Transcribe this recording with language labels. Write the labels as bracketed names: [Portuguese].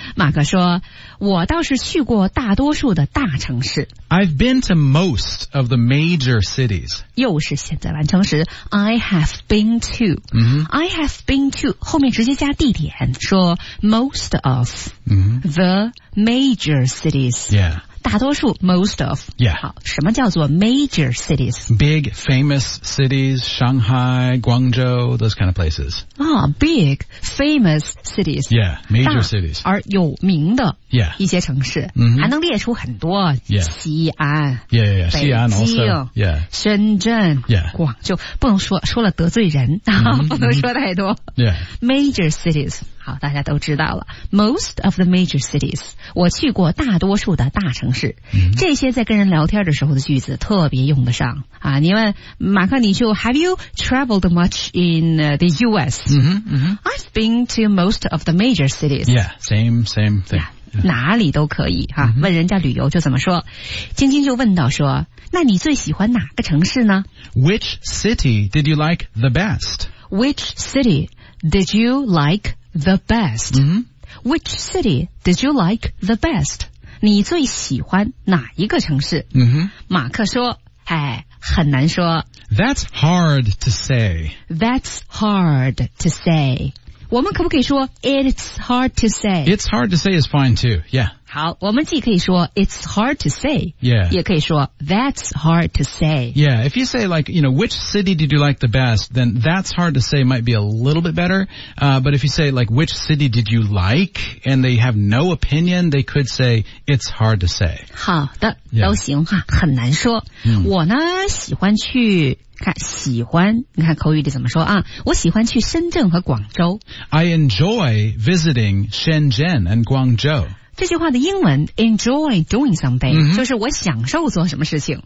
[Chinese] 马克说，我倒是去过大多数的大城市。 [English] I've been to most of the major cities. [Chinese] 又是现在完成时 , [English] I have been to.、I have been to, [Chinese] 后面直接加地点说 [English] most of、the major cities. Yeah. [Chinese] 大多数 most of. [English] Yeah. [Chinese] 好，什么叫做 major cities? [English] Big famous cities, Shanghai, Guangzhou, those kind of places. Ah, big famous cities. Yeah, major cities. [Chinese] 而有名的 [English] yeah. [Chinese] 一些城市、还能列出很多 [English] yeah. [Chinese] 西安 [English] yeah, yeah, yeah. [Chinese] 北京 [English] 西安 also,、yeah. [Chinese] 深圳、 [English] yeah. [Chinese] 广州，不能说了得罪人、不能说太多、 [English] yeah. [Chinese] Major cities 好，大家都知道了 [English] Most of the major cities [Chinese] 我去过大多数的大城市、这些在跟人聊天的时候的句子特别用得上啊。你问马克，你就 [English] Have you traveled much in the US?、I've been to most of the major cities. Yeah, same thing、 [Chinese] 哪里都可以哈、问人家旅游就怎么说。晶晶就问到说，那你最喜欢哪个城市呢？ [English] Which city did you like the best? Which city did you like the best?、Which city did you like the best? [Chinese] 你最喜欢哪一个城市？马克说，哎，很难说。 [English] That's hard to say. That's hard to say. [Chinese] 我们可不可以说 [English] It's hard to say? It's hard to say is fine too, yeah. [Chinese] 好，我们既可以说 [English] It's hard to say, yeah. [Chinese] 也可以说 [English] That's hard to say. Yeah, if you say like, you know, which city did you like the best, then that's hard to say might be a little bit better. But if you say like, which city did you like, and they have no opinion, they could say, it's hard to say. [Chinese] 好的、都行哈，很难说。我呢，喜欢去看喜欢，你看口语里怎么说啊？我喜欢去深圳和广州。 [English] I enjoy visiting Shenzhen and Guangzhou. [Chinese] 这句话的英文 [English] enjoy doing something、 [Chinese] 就是我享受做什么事情。